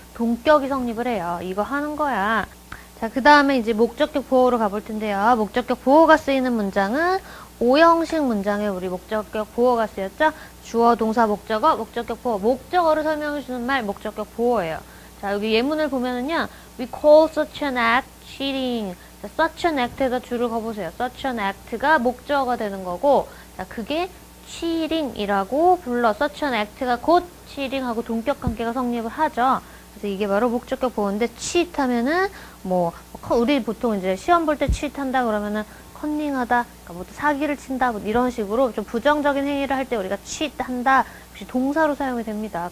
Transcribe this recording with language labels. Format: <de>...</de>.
<ko>동격이 성립을 해요. 이거 하는 거야. 자, 그 다음에 이제 목적격 보어로 가볼 텐데요. 목적격 보어가 쓰이는 문장은 5형식 문장에 우리 목적격 보어가 쓰였죠. 주어, 동사, 목적어, 목적격 보어. 목적어를 설명해 주는 말, 목적격 보어예요. 자, 여기 예문을 보면은요.</ko> <en>We call such an act cheating.</en> <ko>자, such an act 에다 줄을 거보세요. such an act가 목적어가 되는 거고 자, 그게 cheating이라고 불러. such an act 가 곧 cheating하고 동격 관계가 성립을 하죠. 이게 바로 목적격 보어인데 cheat 하면은 뭐 우리 보통 이제 시험 볼 때 cheat 한다 그러면은 컨닝하다 그러니까 뭐 사기를 친다 뭐 이런 식으로 좀 부정적인 행위를 할 때 우리가 cheat 한다 혹시 동사로 사용이 됩니다.</ko>